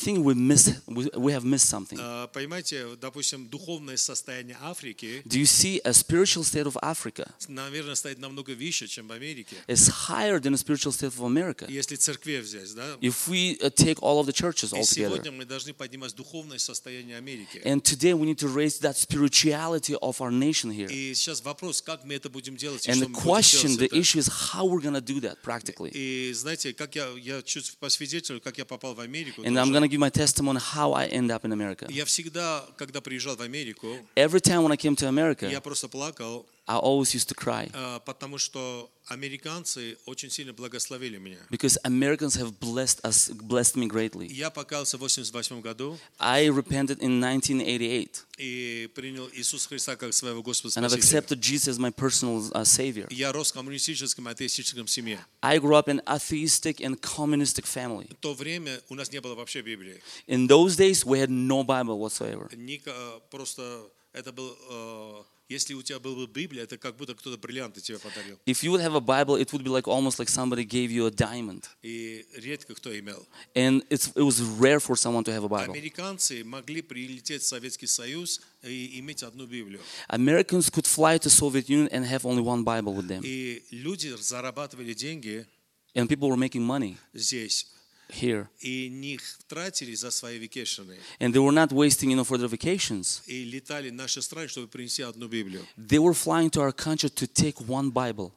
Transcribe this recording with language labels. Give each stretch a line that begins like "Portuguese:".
English: I think we have missed something.
Russian: Понимаете, допустим, духовное состояние Африки.
English: Do you see a spiritual state of Africa?
Russian: Наверное, стоит намного выше, чем в Америке.
English: It's higher than a spiritual state of America.
Russian: Если церкви взять, да?
English: If we take all of the churches all together.
Russian: И сегодня мы должны поднимать духовное состояние Америки.
English: And today we need to raise that spirituality of our nation here.
Russian: И сейчас вопрос, как мы это будем делать?
English: And the question, the issue is how we're gonna do that practically.
Russian: И знаете, как я чуть посвидетельствую, как я попал в Америку.
English: And I'm going to give my testimony how I end up in America.
Russian: Я всегда, когда приезжал в Америку,
English: every time when I came to America,
Russian: я просто плакал,
English: I always used to cry.
Russian: Потому что американцы очень сильно благословили меня.
English: Because Americans have blessed me greatly.
Russian: Я покаялся в 88 году.
English: I repented in 1988.
Russian: И принял Иисуса Христа как своего Господа Спасителя.
English: And I've accepted Jesus as my personal savior.
Russian: Я рос в коммунистическом атеистическом семье.
English: I grew up in atheistic and communistic family.
Russian: В то время у нас не было вообще Библии.
English: In those days we had no Bible whatsoever.
Russian: Просто это был если у тебя была бы Библия, это как будто кто-то бриллианты тебе подарил.
English: If you would have a Bible, it would be like almost like somebody gave you a diamond.
Russian: И редко кто имел.
English: And it was rare for someone to have a Bible.
Russian: Американцы могли прилететь в Советский Союз и иметь одну Библию.
English: Americans could fly to Soviet Union and have only one Bible with them.
Russian: И люди зарабатывали деньги.
English: And people were making money.
Russian: Здесь.
English: Here.
Russian: И не тратили за свои вакейшены.
English: And they were not wasting, you know, for their vacations.
Russian: И летали в наши страны, чтобы принести одну Библию.
English: They were flying to our country to take one Bible.